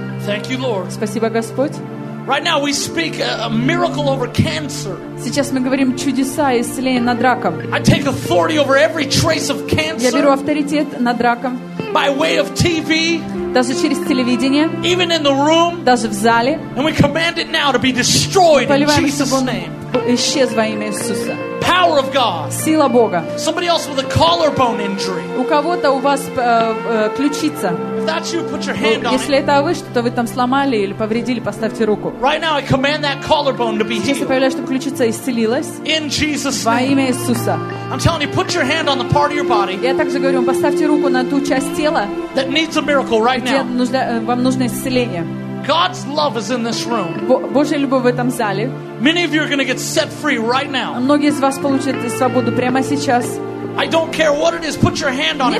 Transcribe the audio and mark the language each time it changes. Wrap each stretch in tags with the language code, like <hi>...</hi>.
<en>Thank you, Lord.</en> <ru>Спасибо, Господь.</ru> <en>Right now we speak a miracle over cancer.</en> <ru>Сейчас мы говорим чудеса исцеления над раком.</ru> <en>I take authority over every trace of cancer.</en> <ru>Я беру авторитет над раком.</ru> <en>By way of TV.</en> <ru>Даже через телевидение.</ru> <en>Even in the room.</en> <ru>Даже в зале.</ru> <en>And we command it now to be destroyed in Jesus' name.</en> <ru>Исчез во имя Иисуса.</ru> <en>Power of God.</en> <ru>Сила Бога.</ru> <en>Somebody else with a collarbone injury.</en> <ru>У кого-то у вас ключица.</ru> <en>If that's you, put your hand on it.</en> <ru>Если это вы, что-то вы там сломали или повредили, поставьте руку.</ru> <en>Right now I command that collarbone to be healed.</en> <ru>Сейчас я повелеваю, чтобы ключица исцелилась.</ru> <en>In Jesus' name.</en> <ru>Во имя Иисуса.</ru> <en>I'm telling you, put your hand on the part of your body.</en> <ru>Я также говорю, поставьте руку на ту часть тела.</ru> <en>That needs a miracle right now.</en> <ru>Вам нужно исцеление.</ru> <en>God's love is in this room.</en> <ru>Божья любовь в этом зале.</ru> <en>Many of you are going to get set free right now.</en> <ru>Многие из вас получат свободу прямо сейчас.</ru> <en>I don't care what it is. Put your hand on it right now.</en>